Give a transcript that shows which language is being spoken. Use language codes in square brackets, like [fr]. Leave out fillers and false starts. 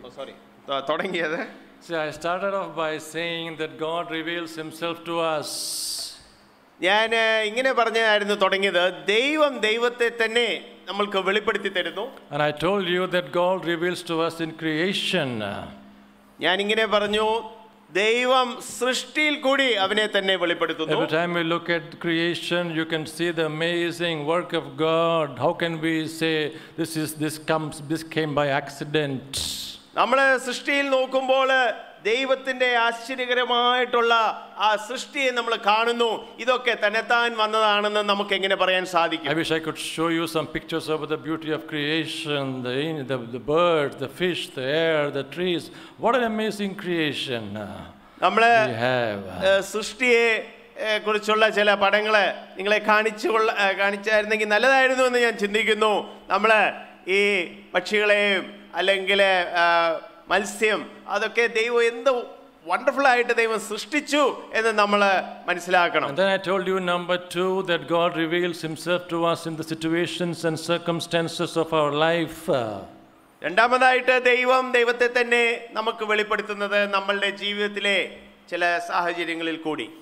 [en] Oh, sorry. [ml] Thodangiyathu. [en] See, I started off by saying that God reveals Himself to us. [ml] Nyane ingane parnjayirunnu thodangiyathu. Deivam deivathe thanne. നമ്മൾക്ക് വെളിപ്പെടുത്തി തരുന്നു. [en] And I told you that God reveals to us in creation. [ml] ഞാൻ ഇങ്ങനെ പറഞ്ഞു, ദൈവം സൃഷ്ടിയിൽ കൂടി അവനെ തന്നെ വെളിപ്പെടുത്തുന്നു. [en] Every time we look at creation, you can see the amazing work of God. How can we say this came by accident? [ml] നമ്മൾ സൃഷ്ടിയിൽ നോക്കുമ്പോൾ ദൈവത്തിന്റെ ആശ്ചര്യകരമായിട്ടുള്ള ആ സൃഷ്ടിയെ നമ്മൾ കാണുന്നു. ഇതൊക്കെ തന്നെത്താൻ വന്നതാണെന്ന് നമുക്ക് എങ്ങനെ പറയാൻ സാധിക്കും? [en] I wish I could show you some pictures of the beauty of creation, the birds, the fish, the air, the trees. What an amazing creation. [ml] നമ്മളെ സൃഷ്ടിയെ കുറിച്ചുള്ള ചില പടങ്ങളെ നിങ്ങളെ കാണിച്ചായിരുന്നെങ്കിൽ നല്ലതായിരുന്നു എന്ന് ഞാൻ ചിന്തിക്കുന്നു. നമ്മൾ ഈ പക്ഷികളെയും അല്ലെങ്കിൽ മത്സ്യം അതൊക്കെ ദൈവം എന്ത് വണ്ടർഫുൾ ആയിട്ട് ദൈവം സൃഷ്ടിച്ചു എന്ന് നമ്മൾ മനസ്സിലാക്കണം. [en] And then I told you number 2 that God reveals himself to us in the situations and circumstances of our life. [ml] രണ്ടാമതായിട്ട് ദൈവം ദൈവത്തെ തന്നെ നമുക്ക് വെളിപ്പെടുത്തുന്നത് നമ്മുടെ ജീവിതത്തിലെ ചില സാഹചര്യങ്ങളിൽ കൂടി.